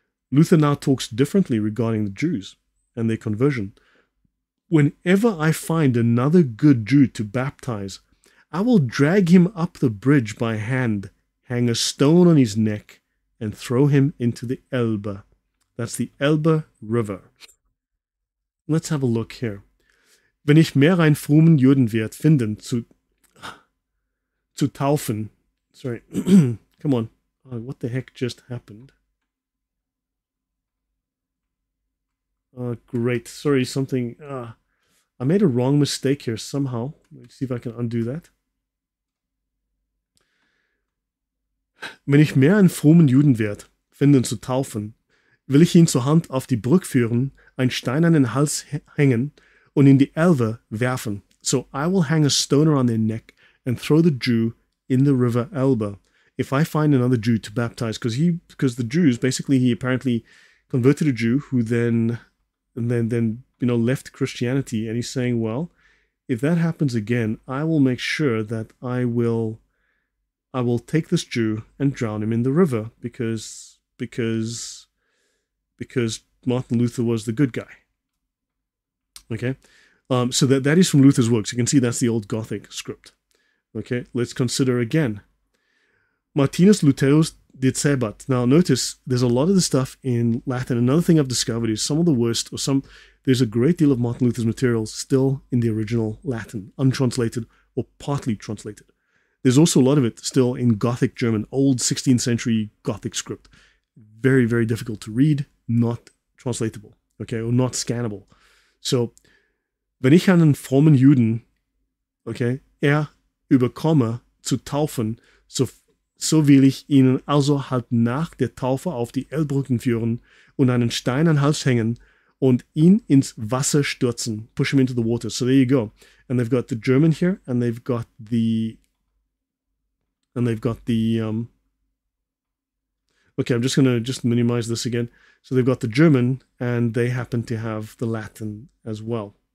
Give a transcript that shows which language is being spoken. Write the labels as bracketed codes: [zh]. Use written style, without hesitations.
[en] Luther now talks differently regarding the Jews and their conversion. Whenever I find another good Jew to baptize, I will drag him up the bridge by hand, hang a stone on his neck, and throw him into the Elbe. That's the Elbe River. Let's have a look here. [de] Wenn ich mehr einen frommen Juden wird finden zu taufen. [en] Sorry. Come on. Oh, what the heck just happened? Great. Sorry, something. I made a wrong mistake here somehow. Let's see if I can undo that. [de] Wenn ich mehr einen frommen Juden werde finden zu taufen, will ich ihn zur Hand auf die Brücke führen, ein Stein an den Hals hängen und in die Elbe werfen. [en] So I will hang a stone around their neck and throw the Jew in the river Elbe if I find another Jew to baptize. Because the Jews, basically, he apparently converted a Jew who then left Christianity. And he's saying, well, if that happens again, I will make sure that I will take this Jew and drown him in the river because Martin Luther was the good guy. Okay. So that is from Luther's works. You can see that's the old Gothic script. Okay. Let's consider again. [la] Martinus Lutheus Dicebat. [en] Now notice there's a lot of the stuff in Latin. Another thing I've discovered is there's a great deal of Martin Luther's materials still in the original Latin, untranslated or partly translated. There's also a lot of it still in Gothic German, old 16th century Gothic script. Very, very difficult to read, not translatable, okay, or not scannable. [de] So, wenn ich einen frommen Juden, okay, überkomme zu taufen, so will ich ihn also halt nach der Taufe auf die Elbrücken führen und einen Stein an Hals hängen und ihn ins Wasser stürzen, [en] push him into the water. So there you go. And they've got the German here, and they've got the... And they've got the, I'm just going to just minimize this again. So they've got the German and they happen to have the Latin as well.